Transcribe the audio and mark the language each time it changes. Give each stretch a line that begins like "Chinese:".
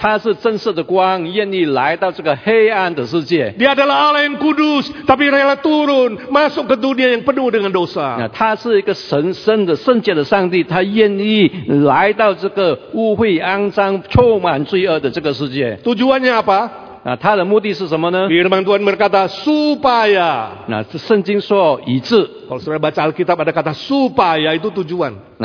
Chinese: 他是真实的光，愿意来到这个黑暗的世界。
Indonesian: Dia adalah Allah yang kudus, tapi rela turun masuk ke dunia yang penuh dengan dosa。
Chinese: 他是一个神圣的圣洁的上帝，他愿意来到这个污秽肮脏、充满罪恶的这个世界。
Indonesian: Tujuannya apa?
Chinese: 他的目的是什么呢？
Indonesian: Firman Tuhan berkata supaya。
Chinese: 圣经说以致。
Indonesian: Kalau saudara baca Alkitab ada kata supaya itu tujuan。